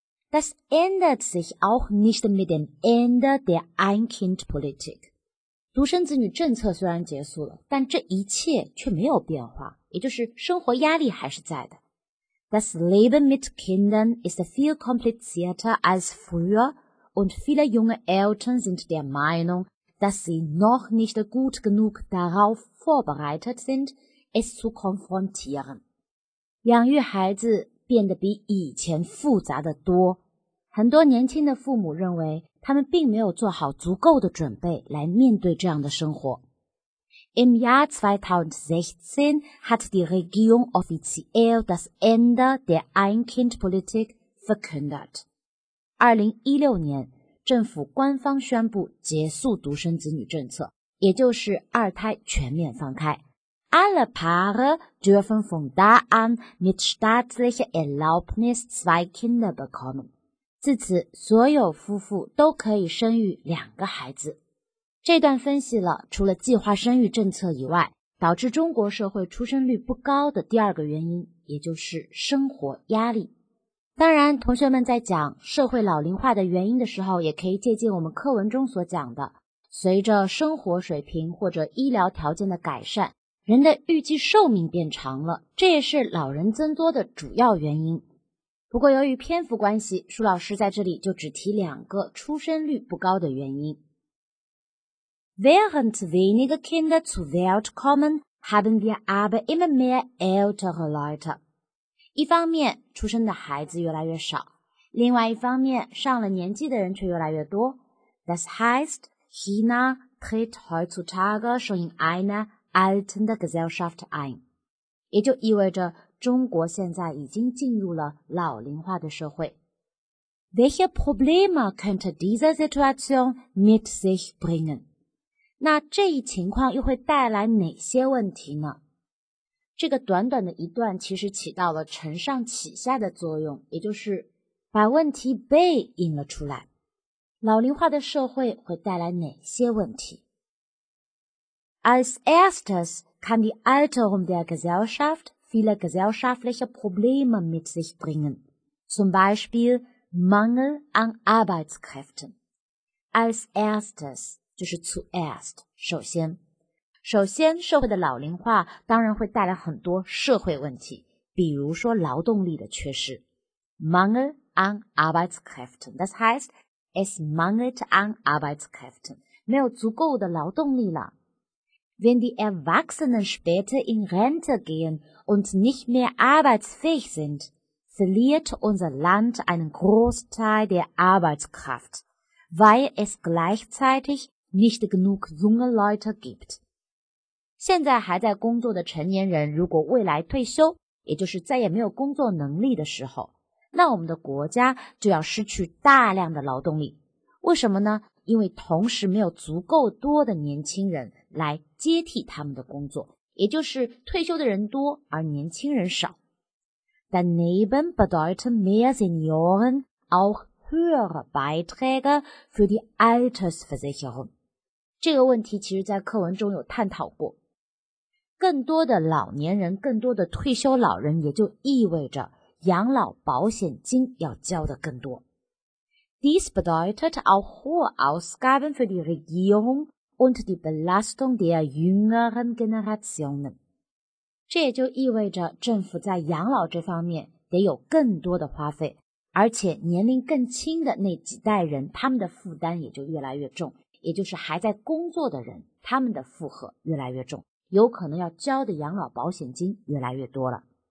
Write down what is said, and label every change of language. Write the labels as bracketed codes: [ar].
[de] Das ändert sich auch nicht mit dem Ende der Ein-Kind-Politik. [zh] 独生子女政策虽然结束了,但这一切却没有变化,也就是生活压力还是在的。 [de] Das Leben mit Kindern ist viel komplizierter als früher und viele junge Eltern sind der Meinung, dass sie noch nicht gut genug darauf vorbereitet sind, es zu konfrontieren. [zh] 养育孩子变得比以前复杂的多。很多年轻的父母认为他们并没有做好足够的准备来面对这样的生活。 [de] Im Jahr 2016 hat die Regierung offiziell das Ende der Ein-Kind-Politik verkündet. [zh] 2016年,政府官方宣布结束独生子女政策,也就是二胎全面放开。 [de] Alle Paare dürfen von da an mit staatlicher Erlaubnis zwei Kinder bekommen. [zh] 自此,所有夫妇都可以生育两个孩子。这段分析了除了计划生育政策以外,导致中国社会出生率不高的第二个原因,也就是生活压力。当然,同学们在讲社会老龄化的原因的时候,也可以借鉴我们课文中所讲的,随着生活水平或者医疗条件的改善,人的预计寿命变长了,这也是老人增多的主要原因。不过由于篇幅关系,舒老师在这里就只提两个出生率不高的原因。 [de] Während weniger Kinder zur Welt kommen, haben wir aber immer mehr ältere Leute. [zh] 一方面,出生的孩子越来越少,另外一方面,上了年纪的人却越来越多。 [de] Das heißt, China tritt heutzutage schon in eine altende Gesellschaft ein. [zh] 也就意味着中国现在已经进入了老龄化的社会。 [de] Welche Probleme könnte diese Situation mit sich bringen? [zh] 那这一情况又会带来哪些问题呢？这个短短的一段其实起到了承上启下的作用，也就是把问题背引了出来。老龄化的社会会带来哪些问题？ [de] Als erstes kann die Alterung der Gesellschaft viele gesellschaftliche Probleme mit sich bringen, zum Beispiel Mangel an Arbeitskräften. Als erstes. [zh] 就是 zuerst, 首先。首先社会的老龄化当然会带来很多社会问题比如说劳动力的缺失。 [de] Mangel an Arbeitskräften, das heißt, es mangelt an Arbeitskräften, [zh] 没有足够的劳动力了。 [de] Wenn die Erwachsenen später in Rente gehen und nicht mehr arbeitsfähig sind, verliert unser Land einen Großteil der Arbeitskraft, weil es gleichzeitignicht genug junge Leute gibt. [zh] 现在还在工作的成年人如果未来退休也就是再也没有工作能力的时候那我们的国家就要失去大量的劳动力。为什么呢因为同时没有足够多的年轻人来接替他们的工作也就是退休的人多而年轻人少。 [de] Daneben bedeuten mehr Senioren auch höhere Beiträge für die Altersversicherung. [zh] 这个问题其实在课文中有探讨过。更多的老年人、更多的退休老人也就意味着养老保险金要交得更多。 [de] Dies bedeutet auch hohe Ausgaben für die Regierung und die Belastung der jüngeren Generationen. [zh] 这也就意味着政府在养老这方面得有更多的花费。而且年龄更轻的那几代人他们的负担也就越来越重也就是还在工作的人他们的负荷越来越重有可能要交的养老保险金越来越多了。